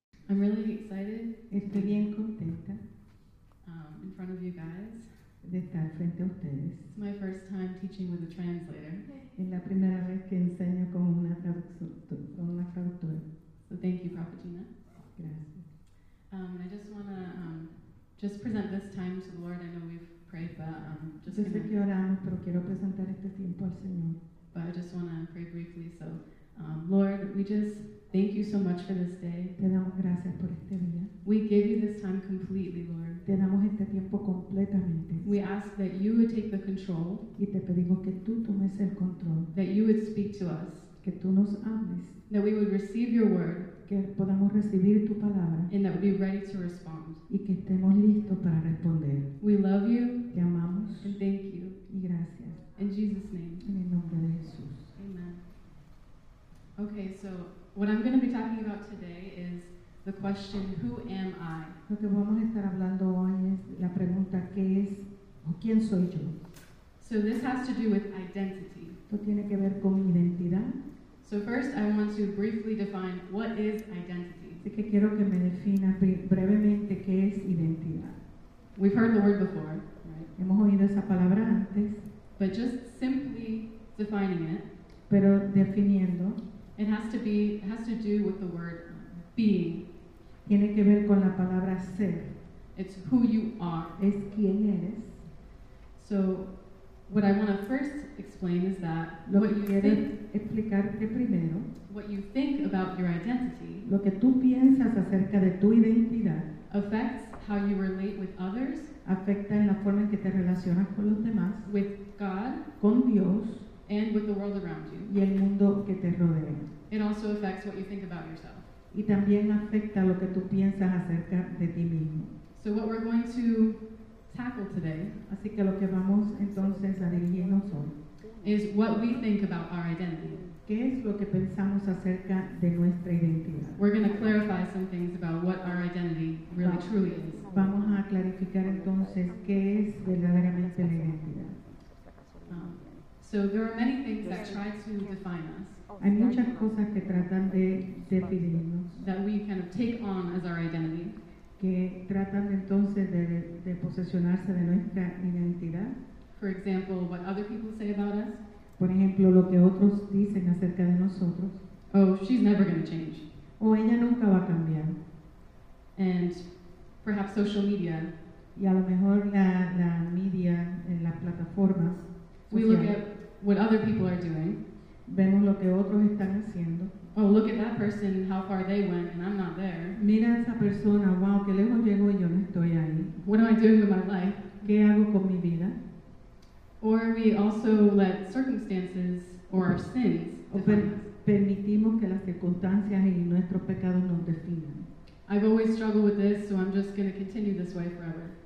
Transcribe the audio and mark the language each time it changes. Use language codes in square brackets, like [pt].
[en] I'm really excited. [es] Estoy bien contenta. [en] In front of you guys. [es] De estar frente a ustedes. [en] It's my first time teaching with a translator. [es] Es la primera vez que enseño con una traductora. [en] So thank you, Prophet Gina. [es] Gracias. [en] I just want to just present this time to the Lord. I know we've prayed, but just [es] desde que oramos, pero quiero presentar este tiempo al Señor. [en] But I just want to pray briefly. So, Lord, we just thank you so much for this day. [es] Te damos gracias por este día. [en] We give you this time completely, Lord. [es] Te damos este tiempo completamente. [en] We ask that you would take the control. [es] Y te pedimos que tú tomes el control. [en] That you would speak to us. [es] Que tú nos hables. [en] That we would receive your word. [es] Que podamos recibir tu palabra. [en] And that we'd be ready to respond. [es] Y que estemos listos para responder. [en] We love you. [es] Te amamos. [en] And thank you. [es] Y gracias. [en] In Jesus' name. [es] En el nombre de Jesús. [en] Amen. Okay, so what I'm going to be talking about today is the question, who am I? [es] Lo que vamos a estar hablando hoy es la pregunta, ¿qué es o quién soy yo? [en] So this has to do with identity. [es] Esto tiene que ver con mi identidad. [en] So first I want to briefly define what is identity. [es] Así que quiero que me defina brevemente qué es identidad. [en] We've heard the word before, right? [es] Hemos oído esa palabra antes. [en] But just simply defining it. [es] Pero definiendo. [en] It has to be, it has to do with the word being. [es] Tiene que ver con la palabra ser. [en] It's who you are. [es] Es quien eres. [en] So, what I want to first explain is that [es] lo [en] what [es] que [en] you think, [es] explicarte primero, [en] what you think about your identity, [es] lo que tú piensas acerca de tu identidad, [en] affects how you relate with others, [es] afecta en la forma en que te relacionas con los demás, [en] with God, [es] con Dios, [en] and with the world around you, [es] y el mundo que te rodea. [en] It also affects what you think about yourself. [es] Y también afecta lo que tú piensas acerca de ti mismo. [en] So what we're going to tackle today, [es] así que lo que vamos entonces a dirigirnos hoy, [en] is what we think about our identity. [es] ¿Qué es lo que pensamos acerca de nuestra identidad? [en] We're going to clarify some things about what our identity really truly is. [es] Vamos a clarificar entonces qué es verdaderamente la identidad. [en] So there are many things that try to define us. [es] Hay muchas cosas que tratan de definirnos. [en] That we kind of take on as our identity. [es] Que tratan entonces de posesionarse de nuestra identidad. [en] For example, what other people say about us. [es] Por ejemplo, lo que otros dicen acerca de nosotros. [en] Oh, she's never going to change. [es] O ella nunca va a cambiar. [en] And perhaps social media. [es] Y a lo mejor la media en las plataformas. [en] We look at what other people are doing. [es] Vemos lo que otros están haciendo. [en] Oh, look at that person, how far they went, and I'm not there. [es] Mira a esa persona, wow, qué lejos llego y yo no estoy ahí. [en] What am I doing with my life? [es] ¿Qué hago con mi vida? [en] Or we also let circumstances or our sins [es] permitimos que las circunstancias y nuestros pecados nos definan. [en] I've always struggled with this, so I'm just going to continue this way forever.